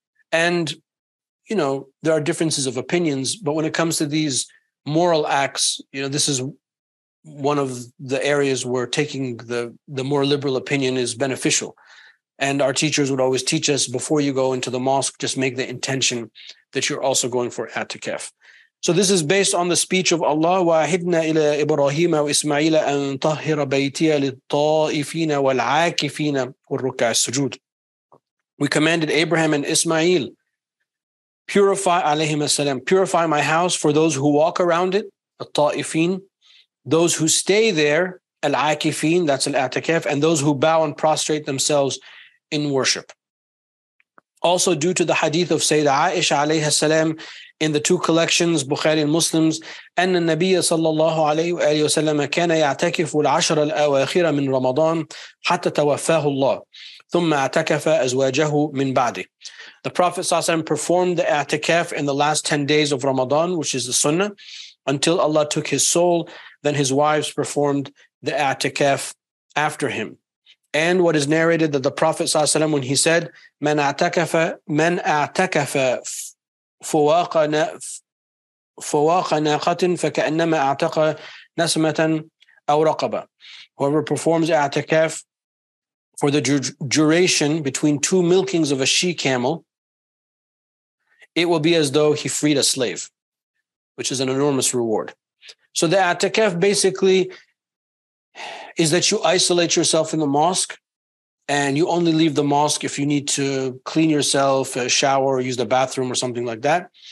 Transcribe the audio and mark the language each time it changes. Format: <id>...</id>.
<en>And, you know, there are differences of opinions, but when it comes to these moral acts, you know, this is one of the areas where taking the more liberal opinion is beneficial. And our teachers would always teach us, before you go into the mosque, just make the intention that you're also going for i'tikaf. So this is based on the speech of Allah,</en> <ar>وَأَهِدْنَا إِلَىٰ إِبْرَاهِيمَ وَإِسْمَعِيلَ أَنْ طَهِّرَ بَيْتِيَ لِلطَّائِفِينَ وَالْعَاكِفِينَ وَالرُّكَّعِ السُّجُودِ.</ar> <en>We commanded Abraham and Ismail, purify, alayhim as-salam, purify my house for those who walk around it, الطائفين, those who stay there, العاكفين, that's al-a'tikaf, and those who bow and prostrate themselves in worship. Also, due to the hadith of Sayyidah Aisha alayhi salam in the two collections, Bukhari and Muslims,</en> <ar>أن النبي صلى الله عليه وسلم كان يعتكف العشر الأواخر من رمضان حتى توفاه الله ثم اعتكف أزواجه من بعده.</ar> <en>The Prophet صلى الله عليه وسلم performed the i'tikaf in the last 10 days of Ramadan, which is the sunnah, until Allah took his soul. Then his wives performed the i'tikaf after him. And what is narrated that the Prophet صلى الله عليه وسلم, when he said,</en> <ar>من اعتكف فواق ناقة فكأنما اعتق نسمة أو رقبة.</ar> <en>Whoever performs i'tikaf for the duration between two milkings of a she camel, it will be as though he freed a slave, which is an enormous reward. So the i'tikaf basically is that you isolate yourself in the mosque, and you only leave the mosque if you need to clean yourself, shower, or use the bathroom or something like that.</en>